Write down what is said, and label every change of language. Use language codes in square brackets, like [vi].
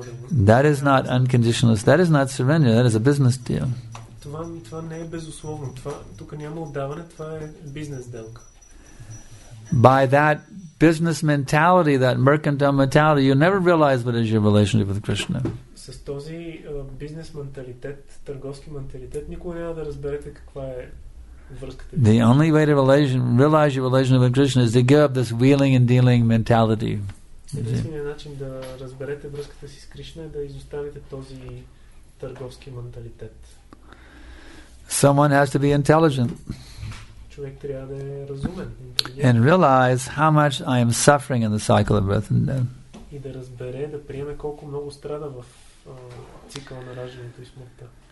[en] That is not unconditional. That is not surrender. That is a business deal. [bg] Това не е безусловно. Тук няма отдаване. Това е бизнес сделка. [en] By that business mentality, that mercantile mentality, you never realize what is your relationship with Krishna. [bg] С този бизнес менталитет, търговски менталитет, никога няма да разберете каква е. [en] The only way to realize your relationship with Krishna is to give up this wheeling and dealing mentality. [bg] Единственият начин да разберете връзката си с Кришна е да изоставите този търговски менталитет. [en] Someone has to be intelligent. [bg] Човек трябва да е разумен. [en] And realize how much I am suffering in the cycle of birth and death. [bg] И да разбере, да приеме колко много страда в цикъла на раждането и смъртта.